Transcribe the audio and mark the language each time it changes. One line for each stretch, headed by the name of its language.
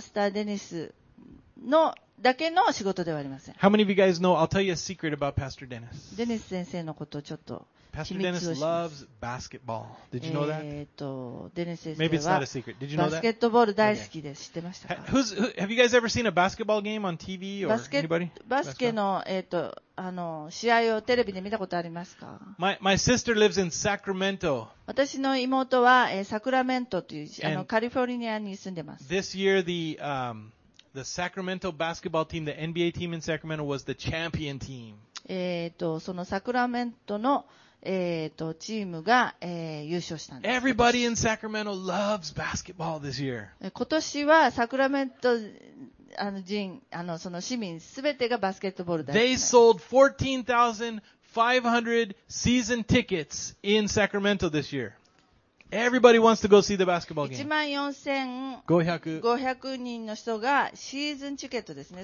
Japanese: スターデニスのだけの仕事ではありません。
English: How many of you guys know? I'll tell you a secret about Pastor Dennis.
Japanese: デニス先生のことをちょっと秘密をします。
English: Pastor Dennis loves basketball. Did you know that?
Japanese: デニス先生は
English: Maybe it's not a secret. Did you know that?
Japanese: バスケットボール大好きです。Okay. 知ってましたか
English: Have you guys ever seen a basketball game on TV or anybody?
Japanese: バスケの、試合をテレビで見たことありますか
English: my sister lives in Sacramento.
Japanese: 私の妹は、サクラメントというカリフォルニアに住んでます。
English: This year, the Sacramento basketball team, the NBA team in Sacramento was the champion team.
Japanese: そのサクラメントの、チームが、優勝したんです。
English: Everybody in Sacramento loves basketball this year.
Japanese: 今年はサクラメント人その市民すべてがバスケットボールだ。
English: They sold 14,500 season tickets in Sacramento this year. Everybody wants to go see the basketball game.
Japanese: 14,500人の人がシーズンチケットですね。